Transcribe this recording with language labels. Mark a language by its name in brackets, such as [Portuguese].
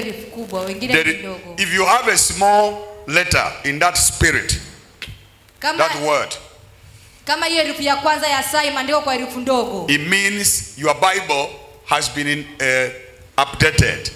[English] If you have a small letter in that spirit, [Swahili] kama, [English] that word, [Swahili] kama hiyo herufu ya kwanza ya saa imeandikwa kwa herufu ndogo, [English] it means your Bible has been in a updated.